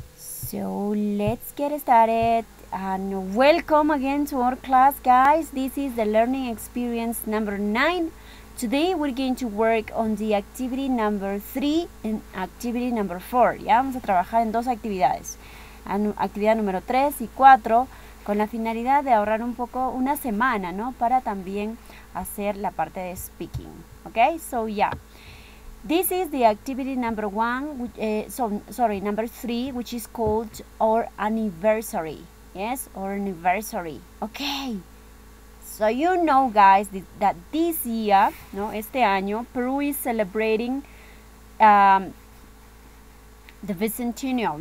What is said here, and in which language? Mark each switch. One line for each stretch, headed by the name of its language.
English: So let's get started and welcome again to our class, guys. This is the learning experience number 9. Today we're going to work on the activity number 3 and activity number 4.
Spanish: Ya vamos a trabajar en dos actividades, actividad número 3 y 4, con la finalidad de ahorrar un poco, una semana, ¿no? Para también hacer la parte de speaking.
English: Okay, so yeah. This is the activity number one, number three, which is called our anniversary. Yes, our anniversary. Okay, so you know, guys, that this year,
Spanish: no, este año,
English: Peru is celebrating the bicentennial.